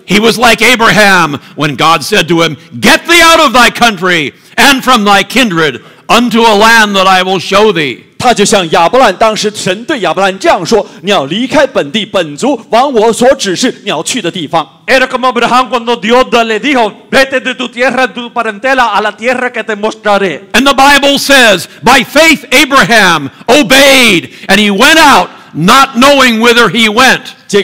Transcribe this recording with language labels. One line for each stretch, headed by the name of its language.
English: He was like Abraham when God said to him, "Get thee out of thy country and from thy kindred unto a land that I will show thee."
Chinese: 他就像亚伯兰，当时神对亚伯兰这样说：“你要离开本地本族，往我所指示你要去的地方。”
Spanish: Era como Abraham cuando Dios le dijo: "Vete de tu tierra, tu parentela, a la tierra que te mostraré."
English: And the Bible says, by faith Abraham obeyed, and he went out, not knowing whither he went.